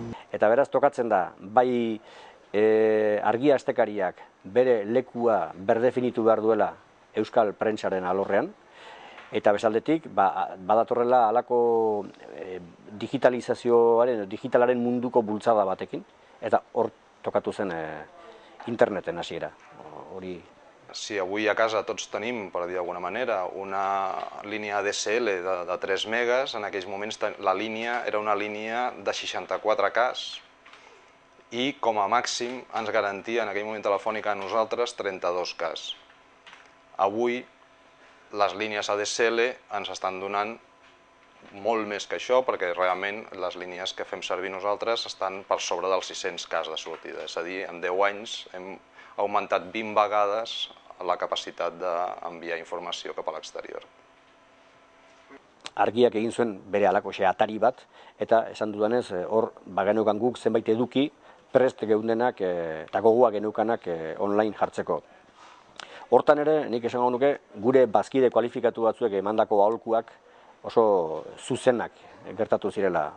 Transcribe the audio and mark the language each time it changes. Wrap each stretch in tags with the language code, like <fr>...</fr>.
<eu>Eta beraz tokatzen da, bai Argia astekariak bere lekua berdefinitu behar duela euskal prentsaren alorrean, eta bezaldetik ba, badatorrela halako digitalizazioaren, digitalaren munduko bultzada batekin, eta hor tokatu zen interneten hasiera. Hori...</eu> <ca>Si avui a casa tots tenim, per dir d'alguna manera, una línia ADSL de 3 megas, en aquells moments la línia era una línia de 64Ks i com a màxim ens garantia en aquell moment telefònica a nosaltres 32Ks. Avui les línies ADSL ens estan donant molt més que això, perquè realment les línies que fem servir nosaltres estan per sobre dels 600Ks de sortida. És a dir, en 10 anys hem augmentat 20 vegades la capacitat d'enviar informació cap a l'exterior.</ca> <eu>Argiak egin zuen bere halako atari bat, eta esan dudanez, hor bagenukan guk zenbait eduki, prest geundenak eta gogua geneukanak online jartzeko. Hortan ere, nik esan gau nuke, gure bazkide kualifikatu batzuek emandako aholkuak oso zuzenak gertatu zirela.</eu>